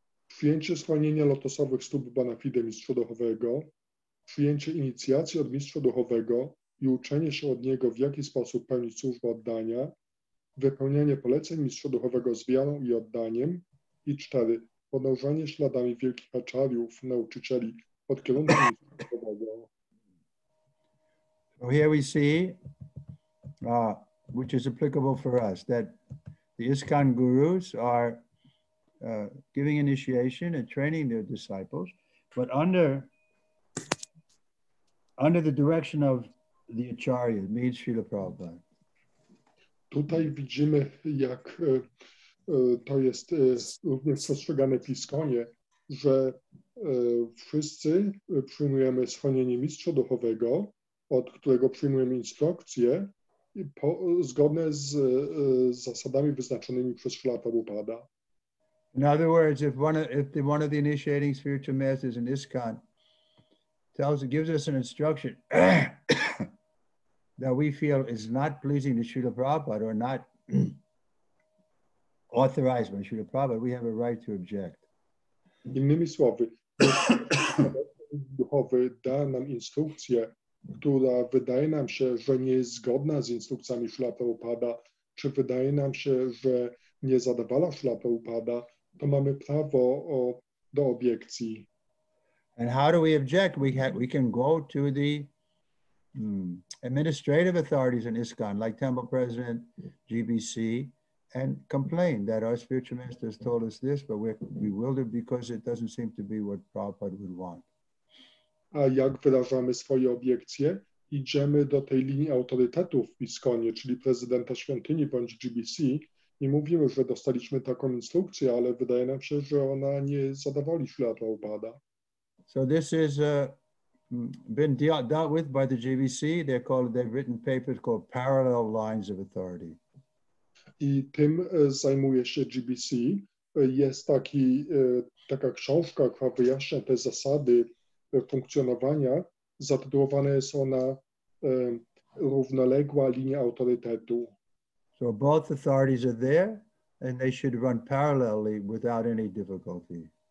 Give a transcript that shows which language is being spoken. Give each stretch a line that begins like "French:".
Polish: Przyjęcie schronienia lotosowych stóp bona fide mistrza duchowego, przyjęcie inicjacji od mistrza duchowego i uczenie się od niego, w jaki sposób pełnić służbę oddania, wypełnianie poleceń mistrza duchowego z wiarą i oddaniem i cztery, podążanie śladami wielkich aczariów, nauczycieli pod kierunkiem mistrza duchowego.
English: Here we see, which is applicable for us, that the ISKCON gurus are giving initiation and training their disciples, but under the direction of the acharya, means Śrīla Prabhupāda.
Polish: Tutaj widzimy, jak to jest również postrzegane w ISKCONie, że wszyscy przyjmujemy schronienie mistrza duchowego, od którego przyjmujemy instrukcje, zgodne z zasadami wyznaczonymi przez Śrīla Prabhupāda.
English: In other words, if one of the initiating spiritual masters in ISKCON gives us an instruction that we feel is not pleasing to Śrīla Prabhupāda or not authorized by Śrīla Prabhupāda, we have a right to object.
Polish: Innymi słowy, duchowy da nam instrukcję, która wydaje nam się, że nie jest zgodna z instrukcjami Śrīla Prabhupāda, czy wydaje nam się, że nie zadowala Śrīla Prabhupāda, to mamy prawo do obiekcji.
English: And how do we object? We can go to the administrative authorities in ISKCON, like temple president, GBC, and complain that our spiritual master has told us this, but we're bewildered because it doesn't seem to be what Prabhupada would want.
Polish: A jak wyrażamy swoje obiekcje? Idziemy do tej linii autorytetów w ISKCONie, czyli prezydenta świątyni bądź GBC, i mówimy, że dostaliśmy taką instrukcję, ale wydaje nam się, że ona nie zadowoli Śrīla Prabhupāda.
English: So this is been dealt with by the GBC. They've written papers called Parallel Lines of Authority.
Polish: I tym zajmuje się GBC. Jest taka książka, która wyjaśnia te zasady funkcjonowania. Zatytułowana jest ona Równoległa linia autorytetu.
English: So both authorities are there and they should run parallelly without any difficulty.